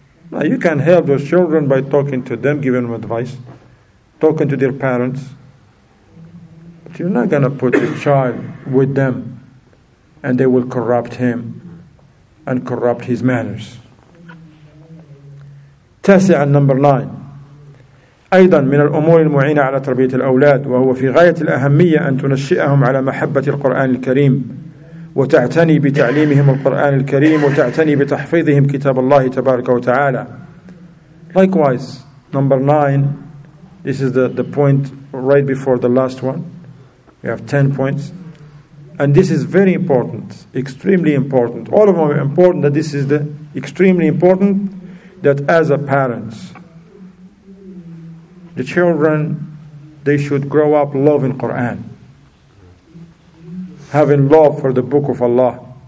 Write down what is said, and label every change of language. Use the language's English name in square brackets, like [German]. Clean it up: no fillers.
[English] Now you can help those children by talking to them, giving them advice, talking to their parents. But you're not going to put your child with them and they will corrupt him and corrupt his manners. [Arabic] تَسِعَ [English] number 9. [Arabic] أيضا من الأمور المعينة على تربية الأولاد وهو في غاية الأهمية أن تنشئهم على محبة القرآن الكريم وتعتني بتعليمهم القرآن الكريم وتعتني بتحفيظهم كتاب الله تبارك وتعالى. [English] Likewise, number 9, this is the point right before the last one. We have 10 points. And this is very important, extremely important. All of them are important, that this is the extremely important, that as a parents, the children, they should grow up loving Quran, having love for the book of Allah.